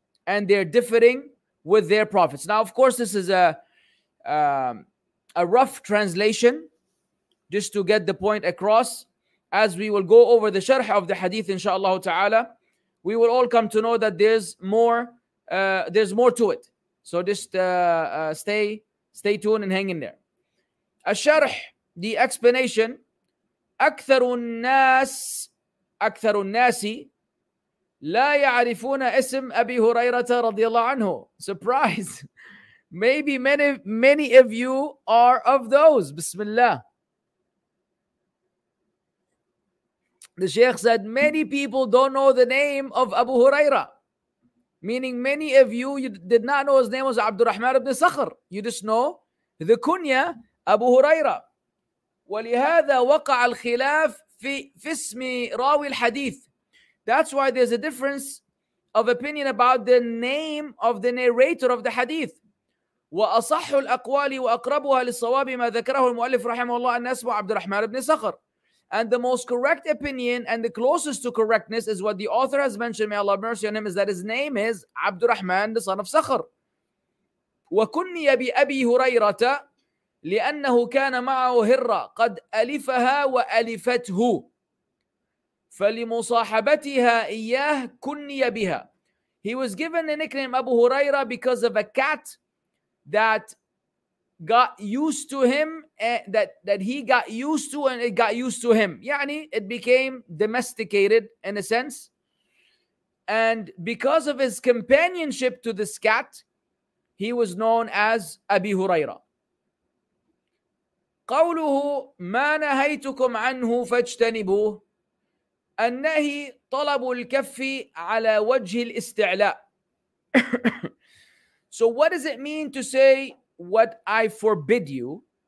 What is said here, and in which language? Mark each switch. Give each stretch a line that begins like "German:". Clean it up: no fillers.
English: And they're differing with their prophets. Now, of course, this is a rough translation, just to get the point across. As we will go over the sharh of the hadith, inshallah ta'ala, we will all come to know that there's more to it. So just stay tuned and hang in there.
Arabic: Al-sharh,
English: the explanation,
Arabic: أكثر الناس لا يعرفون اسم أبي هريرة رضي الله عنه.
English: Surprise. Maybe many of you are of those. Bismillah. The Sheikh said, many people don't know the name of Abu Hurayrah. Meaning many of you did not know his name was Abdurrahman ibn Sakhr. You just know the kunya Abu Hurayrah.
Arabic: ولهذا وقع الخلاف في اسم راوي الحديث.
English: That's why there's a difference of opinion about the name of the narrator of the hadith.
Arabic: وَأَصَحُّ الْأَقْوَالِ وَأَقْرَبُهَا لِلصَّوَابِ مَا ذَكَرَهُ الْمُؤَلِّفُ رَحِمَهُ اللَّهُ أَنَّ اسْمَهُ عَبْدُ الرَّحْمَنِ بْنِ صَخْرٍ.
English: And the most correct opinion and the closest to correctness is what the author has mentioned, may Allah have mercy on him, is that his name is عبد الرحمن, the son of Sakhr.
Arabic: وَكُنِّيَ بِأَبِي هُرَيْرَةَ لِأَنَّهُ كَانَ مَعَهُ هِرَّةً قَدْ أَلِفَهَا وَأَلِفَتْهُ فَلِمُصَاحَبَتِهَا إِيَّهْ كُنِّيَ بِهَا.
English: He was given the nickname Abu Hurayrah because of a cat that got used to him, that he got used to and it got used to him.
Arabic: يعني
English: it became domesticated in a sense. And because of his companionship to this cat, he was known as Abi Hurayrah.
Arabic: قَوْلُهُ مَا نَهَيْتُكُمْ عَنْهُ فَاجْتَنِبُوهُ النهي طلب الكف على وجه الاستعلاء.
English: So what does it mean to say what I forbid you?